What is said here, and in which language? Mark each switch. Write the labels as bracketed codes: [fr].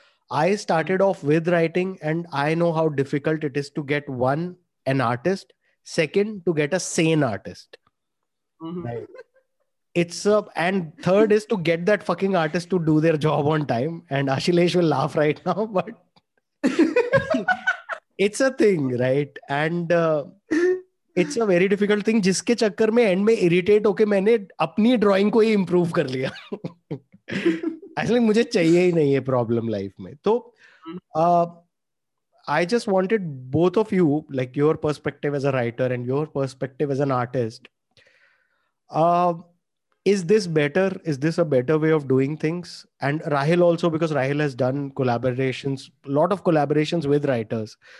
[en] I started off with writing and I know how difficult it is to get one, an artist. Second, to get a sane artist. Right? And third is to get that fucking artist to do their job on time. And Ashilesh will laugh right now, but it's a thing, right? And it's a very difficult thing [hi] जिसके चक्कर में and में irritate होके मैंने अपनी drawing को ही improve कर लिया एक्चुअली मुझे चाहिए ही नहीं है प्रॉब्लम लाइफ में. [en] तो I just wanted both of you, like your perspective as a writer and your perspective as an artist. Is this better? Is this a better way of doing things? And Rahil also, because Rahil has done collaborations, a lot of collaborations with writers.